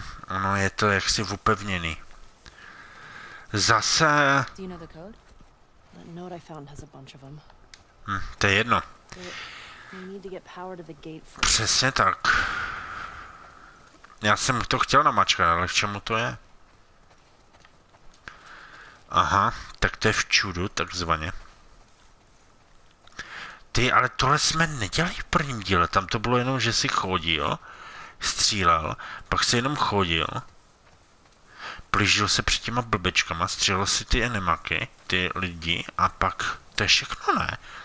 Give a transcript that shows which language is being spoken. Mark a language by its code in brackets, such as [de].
[cs] Ono je to jaksi upevněný. Zase. [en] Do you know the code? That note I found has a bunch of them. [cs] To je jedno. [en] We need to get power to the gate first. [cs] Přesně tak. Já jsem to chtěl namačkat, ale k čemu to je? Aha, tak to je v čudu, takzvaně. Ty, ale tohle jsme nedělali v prvním díle, tam to bylo jenom, že si chodil, střílel, pak si jenom chodil, plížil se před těma blbečkama, střílel si ty animaky, ty lidi, a pak to je všechno, ne?